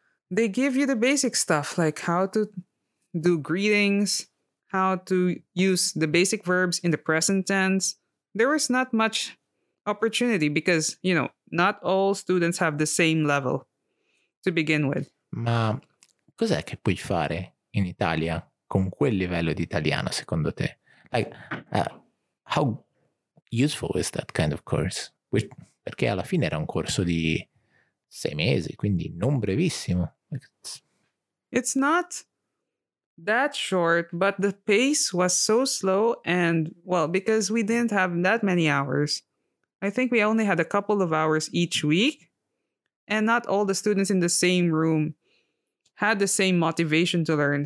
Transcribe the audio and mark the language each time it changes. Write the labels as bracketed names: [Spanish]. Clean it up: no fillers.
[English] They give you the basic stuff, like how to do greetings, how to use the basic verbs in the present tense. There was not much opportunity because, not all students have the same level to begin with. [Italian] Ma cos'è che puoi fare in Italia con quel livello di italiano, secondo te? [English] How useful is that kind of course? [Italian] Perché alla fine era un corso di 6 mesi, quindi non brevissimo. [English] It's not that short, but the pace was so slow and, because we didn't have that many hours. I think we only had a couple of hours each week, and not all the students in the same room had the same motivation to learn.